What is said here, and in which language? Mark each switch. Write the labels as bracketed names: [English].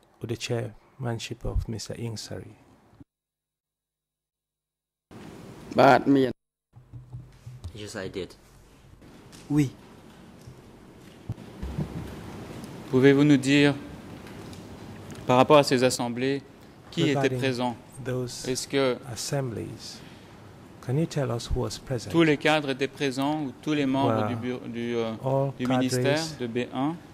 [English] with the chairmanship of Mr. Inksari. But me. Yes, I did. [French] Oui. Pouvez-vous nous dire, par rapport à ces assemblées, qui était présent? Est-ce que [English] assemblies, can you tell us who was present? [French] Tous les cadres étaient présents ou tous les membres du ministère de B1